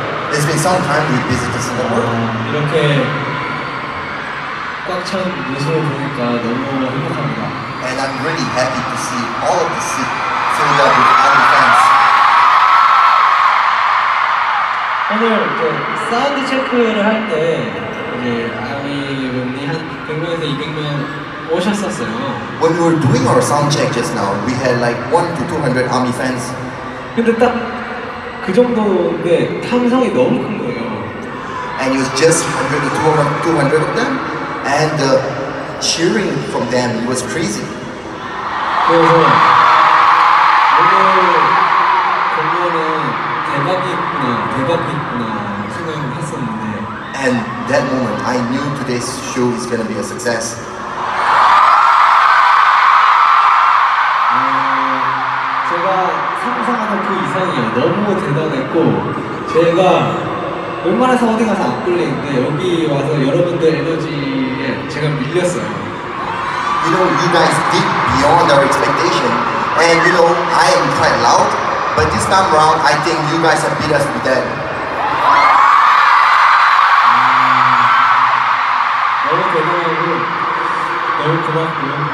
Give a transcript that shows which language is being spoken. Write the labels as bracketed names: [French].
[English] It's been some time we visited Singapore. [Korean] 이렇게 꽉 찬 모습을 보니까 너무나 행복합니다. [English] And I'm really happy to see all of the city filled up with other fans. [Korean] 오늘 또 사운드 체크를 할 때 이제 아미분이 한 100명에서 200명 오셨었어요. [English] When we were doing our sound check just now, we had like 1 to 200 army fans. [Korean] 근데 딱 그 정도인데 탐성이 너무 큰 거예요. [English] And it was just 100 to 200 of them, and the cheering from them it was crazy. [Korean] 그래서 오늘 공연은 대박이구나, 대박이구나 생각을 했었는데. [English] And that moment, I knew today's show is gonna be a success. [Korean] 너무 대단했고 제가 웬만해서 어디 가서 안 끌리는데 여기 와서 여러분들 에너지에 제가 밀렸어요. [English] You know, you guys did beyond our expectation, and you know, I am quite loud, but this time round, I think you guys have beat us to that. [Korean] 너무 대단하고 너무 고맙고요.